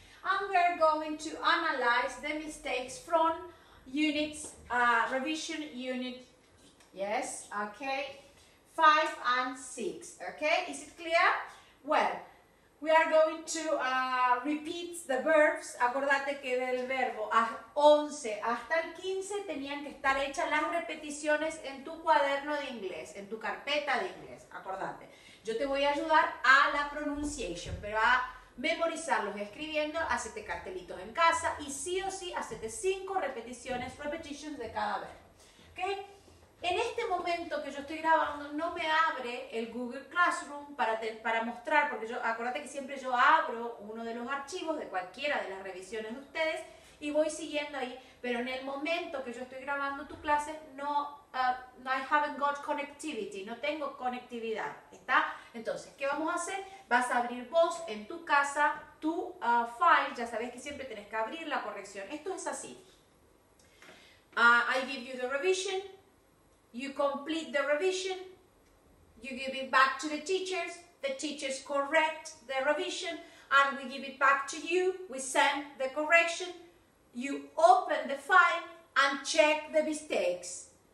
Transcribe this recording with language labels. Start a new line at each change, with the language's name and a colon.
English: And we're going to analyze the mistakes from units, revision unit. Yes, okay. 5 and 6, okay? Is it clear? Well, we are going to repeat the verbs.
Spanish: Acordate que del verbo 11 hasta el 15 tenían que estar hechas las repeticiones en tu cuaderno de inglés, en tu carpeta de inglés. Acordate. Yo te voy a ayudar a la pronunciation, pero a memorizarlos escribiendo, hacete cartelitos en casa y sí o sí hacete 5 repeticiones, repetitions de cada verbo. ¿Ok? En este momento que yo estoy grabando, no me abre el Google Classroom para mostrar, porque yo, acuérdate que siempre yo abro uno de los archivos de cualquiera de las revisiones de ustedes y voy siguiendo ahí, pero en el momento que yo estoy grabando tu clase,
English: I haven't got connectivity,
Spanish: no tengo conectividad, ¿está? Entonces, ¿qué vamos a hacer? Vas a abrir vos en tu casa tu file, ya sabes que siempre tenés que abrir la corrección. Esto es así.
English: I give you the revision. You complete the revision, you give it back to the teachers correct the revision, and we give it back to you, we send the correction, you open the file and check the mistakes.